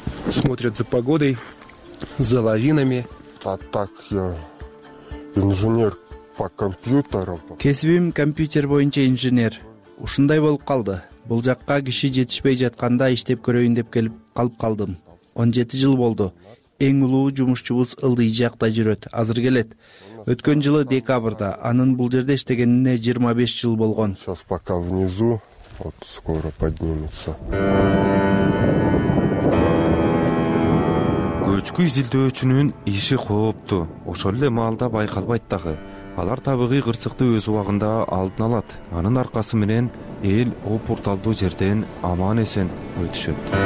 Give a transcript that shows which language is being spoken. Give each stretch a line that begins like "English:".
Russian: Смотрят за погодой, за лавинами. Так я инженер по компьютеру.
Kyrgyz: Кесибим компьютер боюнча инженер. Ушундай болуп калды. Бул жакка киши жетишпей жатканда иштеп көрөйүн деп келип калып калдым. 17 жыл болду. Эң улуу жумушчубуз ылдый жакта жүрөт, азыр келет. Өткөн жылы декабрда анын бул жерде иштегенине 25 жыл болгон.
Russian: Сейчас пока внизу, вот скоро поднимется.
Kyrgyz: Көчкү изилдөөчүнүн иши кооптуу. Ошол эле маалда байкалбайт дагы. Алар табигый кырсыкты өз убагында алдын алат. Анын аркасы менен эл опурталдуу жерден аман эсен өтүшөт.